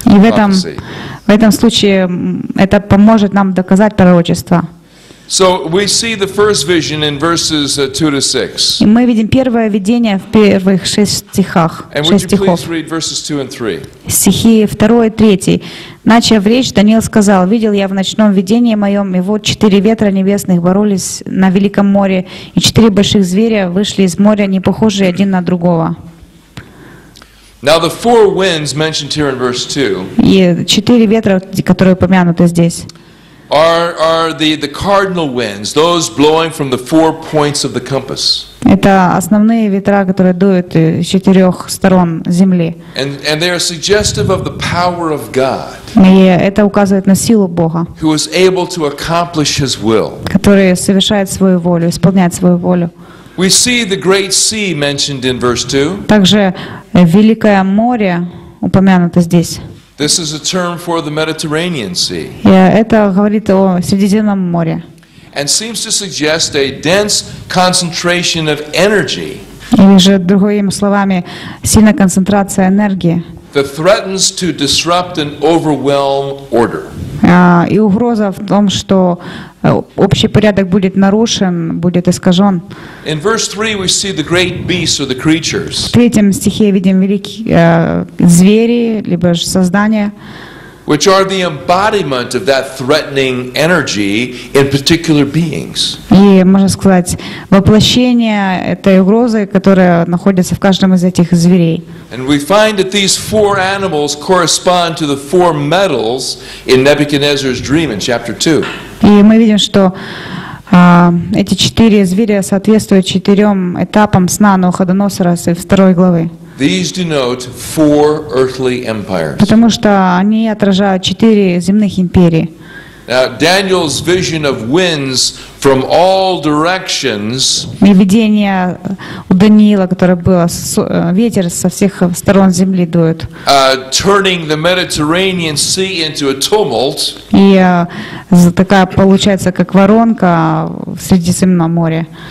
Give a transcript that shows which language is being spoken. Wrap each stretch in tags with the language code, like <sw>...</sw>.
<ru>И в этом случае это поможет нам доказать пророчество.</ru> <en>So we see the first vision in verses 2-6.</en> <ru>И мы видим первое видение в первых шесть стихах.</ru> <en>And would you please read verses 2 and 3?</en> <ru>Стихи 2 и 3. Начав речь, Даниил сказал: «Видел я в ночном видении моем, и вот четыре ветра небесных боролись на великом море, и четыре больших зверя вышли из моря, не похожие один на другого».</ru> <en>Now the four winds mentioned here in verse 2.</en> <ru>И четыре ветра, которые упомянуты здесь.</ru> <en>are the cardinal winds, those blowing from the four points of the compass.</en> <ru>Это основные ветра, которые дуют с четырех сторон земли.</ru> <en>And they are suggestive of the power of God.</en> <ru>И это указывает на силу Бога.</ru> <en>Who is able to accomplish His will.</en> <ru>Который совершает свою волю, исполняет свою волю.</ru> <en>We see the great sea mentioned in verse 2.</en> <ru>Также великое море упомянуто здесь.</ru> <en>This is a term for the Mediterranean Sea.</en> <ru>Это говорит о Средиземном море.</ru> <en>And seems to suggest a dense concentration of energy.</en> <ru>Или же другими словами, сильная концентрация энергии.</ru> <en>That threatens to disrupt and overwhelm order.</en> <ru>И угроза в том, что общий порядок будет нарушен, будет искажен.</ru> <en>In verse 3 we see the great beasts or the creatures.</en> <ru>В третьем стихе видим великие звери либо же создания.</ru> <en>Which are the embodiment of that threatening energy in particular beings.</en> <ru>И можно сказать воплощение этой угрозы, которая находится в каждом из этих зверей.</ru> <en>And we find that these four animals correspond to the four metals in Nebuchadnezzar's dream in chapter 2.</en> <ru>И мы видим, что эти четыре зверя соответствуют четырем этапам сна Навуходоносора в второй главе.</ru> <en>These denote four earthly empires.</en> <ru>Потому что они отражают четыре земных империи.</ru> <en>Now, Daniel's vision of winds from all directions.</en> <ru>И видение у Даниила, которое было, ветер со всех сторон земли дует.</ru> <en>Turning the Mediterranean Sea into a tumult.</en> <ru>И такая получается как воронка в Средиземном море.</ru>